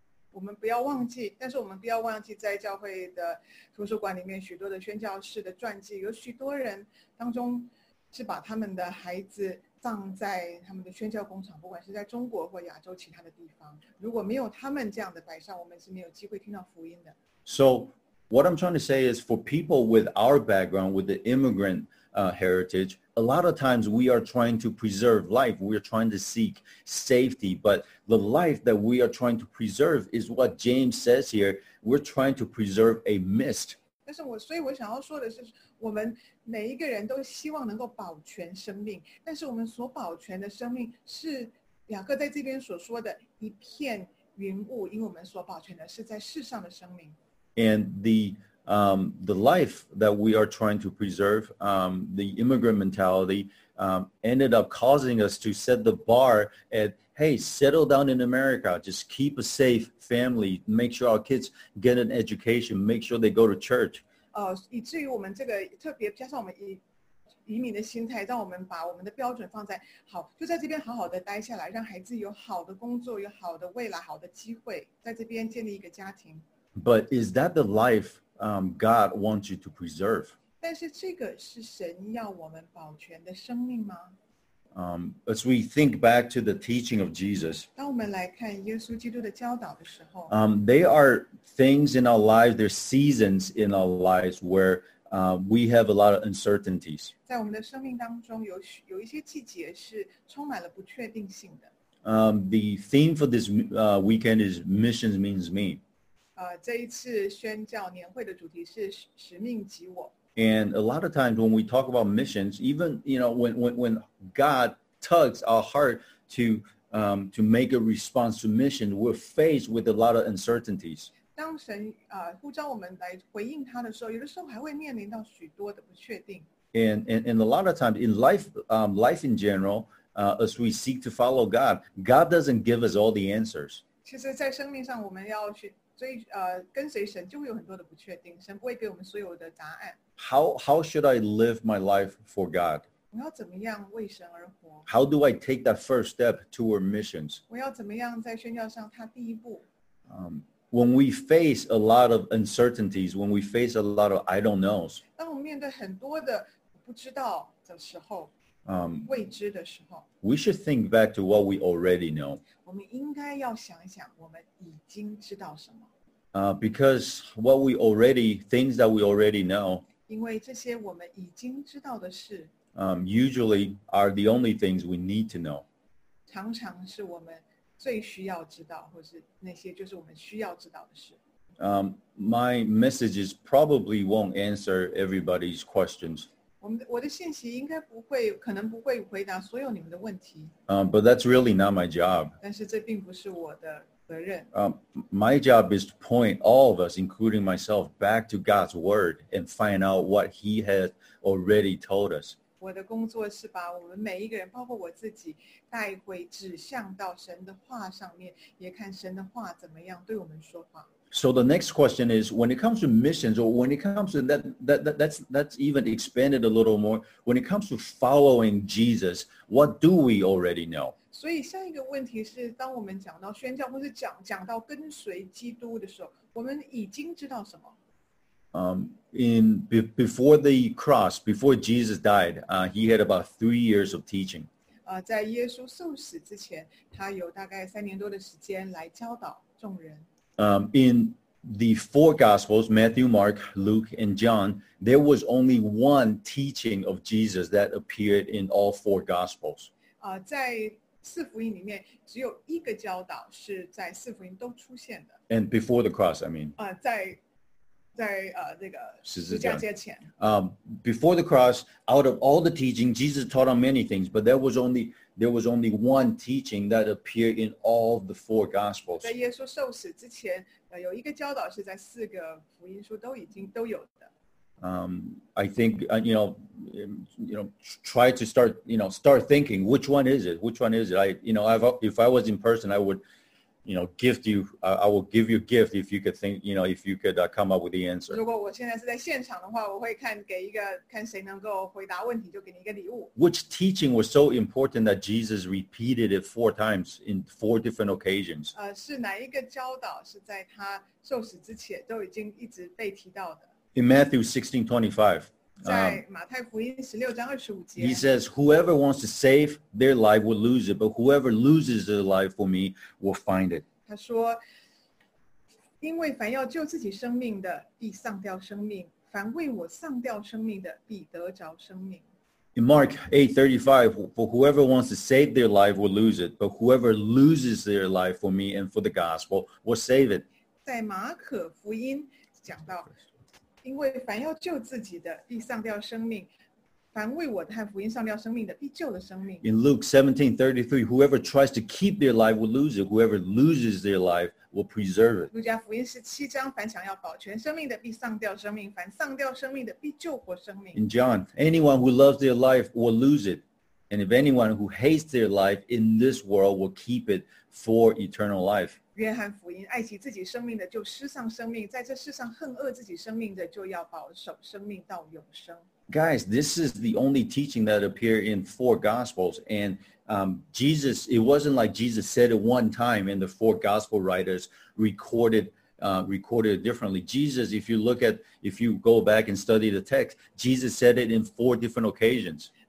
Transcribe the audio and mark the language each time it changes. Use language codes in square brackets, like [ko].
[zh] 我们不要忘记，但是我们不要忘记，在教会的图书馆里面，许多的宣教士的传记，有许多人当中是把他们的孩子葬在他们的宣教工厂，不管是在中国或亚洲其他的地方。如果没有他们这样的摆上，我们是没有机会听到福音的。 [en] So, what I'm trying to say is, for people with our background, with the immigrant heritage, a lot of times we are trying to preserve life. We are trying to seek safety, but the life that we are trying to preserve is what James says here. We're trying to preserve a mist. [zh] 但是我所以我想要说的是，我们每一个人都希望能够保全生命，但是我们所保全的生命是雅各在这边所说的一片云雾，因为我们所保全的是在世上的生命。 [en] And the life that we are trying to preserve, the immigrant mentality, ended up causing us to set the bar at, hey, settle down in America, just keep a safe family, make sure our kids get an education, make sure they go to church. [zh] 以至于我们这个特别加上我们移民的心态，让我们把我们的标准放在好，就在这边好好的待下来，让孩子有好的工作，有好的未来，好的机会，在这边建立一个家庭。 [en] But is that the life God wants you to preserve? [zh] 但是这个是神要我们保全的生命吗？ [en] As we think back to the teaching of Jesus, [zh] 当我们来看耶稣基督的教导的时候， [en] there are things in our lives, there are seasons in our lives where we have a lot of uncertainties. [zh] 在我们的生命当中有一些季节是充满了不确定性的。 [en] The theme for this weekend is missions means me. [zh] 这一次宣教年会的主题是使命及我。 [en] And a lot of times when we talk about missions, even, you know, when God tugs our heart to make a response to mission, we're faced with a lot of uncertainties. [zh] 当神呼召我们来回应他的时候，有的时候还会面临到许多的不确定。 [en] And a lot of times in life, life in general, as we seek to follow God, God doesn't give us all the answers. [zh] 其实在生命上我们要去所以跟随神就会有很多的不确定，神不会给我们所有的答案。 [en] How should I live my life for God? [zh] 我要怎么样为神而活？ [en] How do I take that first step toward missions? [zh] 我要怎么样在宣教上踏第一步？ [en] When we face a lot of uncertainties, when we face a lot of I don't knows, [zh] 当我们面对很多的不知道的时候，未知的时候， [en] we should think back to what we already know. [zh] 我们应该要想一想我们已经知道什么。 [en] Because what we already, things that we already know, [zh] 因为这些我们已经知道的事， [en] usually are the only things we need to know. [zh] 常常是我们最需要知道，或是那些就是我们需要知道的事。 [en] My messages probably won't answer everybody's questions. [zh] 我的信息应该不会，可能不会回答所有你们的问题。 [en] But that's really not my job. [zh] 但是这并不是我的责任。 [en] My job is to point all of us, including myself, back to God's word and find out what He has already told us. [zh] 我的工作是把我们每一个人，包括我自己，带回指向到神的话上面，也看神的话怎么样对我们说话。 [en] So the next question is, when it comes to missions, or when it comes to that's even expanded a little more, when it comes to following Jesus, what do we already know? [zh] 所以下一个问题是，当我们讲到宣教，或是讲到跟随基督的时候，我们已经知道什么？ [en] Before the cross, before Jesus died, he had about 3 years of teaching. [zh] 在耶稣受死之前，他有大概三年多的时间来教导众人。 [en] In the four Gospels, Matthew, Mark, Luke, and John, there was only one teaching of Jesus that appeared in all four Gospels. [zh] 在四福音里面，只有一个教导是在四福音都出现的。 [en] And before the cross, I mean. [zh] 在在这个十字架之前。 [en] Before the cross, out of all the teaching, Jesus taught on many things, but there was only one teaching that appeared in all the four Gospels. [zh] 在耶稣受死之前，有一个教导是在四个福音书都有的。 [en] I think, you know, try to start, you know, start thinking, which one is it? Which one is it? If I was in person, I would, you know, gift you, I will give you a gift if you could think, you know, if you could come up with the answer. [zh] 如果我现在是在现场的话，我会看谁能够回答问题，就给你一个礼物。 [en] Which teaching was so important that Jesus repeated it four times in four different occasions? [zh] 是哪一个教导是在他受死之前都已经一直被提到的？ [en] In Matthew 16:25, he says, whoever wants to save their life will lose it, but whoever loses their life for me will find it. [zh] 他说，因为凡要救自己生命的必丧掉生命，凡为我丧掉生命的必得着生命。 [en] In Mark 8:35, for whoever wants to save their life will lose it, but whoever loses their life for me and for the gospel will save it. [zh] 在马可福音讲到，因为凡要救自己的必丧掉生命，凡为我和福音丧掉生命的必救了生命。 [en] In Luke 17:33, whoever tries to keep their life will lose it. Whoever loses their life will preserve it. [zh] 路加福音17章，凡想要保全生命的必丧掉生命，凡丧掉生命的必救活生命。 [en] In John, anyone who loves their life will lose it, and if anyone who hates their life in this world will keep it for eternal life. [zh] 约翰福音，爱惜自己生命的就失丧生命，在这世上恨恶自己生命的就要保守生命到永生。 [en] Guys, this is the only teaching that appear in four Gospels, and Jesus, it wasn't like Jesus said it one time, and the four Gospel writers recorded it differently. Jesus, if you go back and study the text, Jesus said it in four different occasions.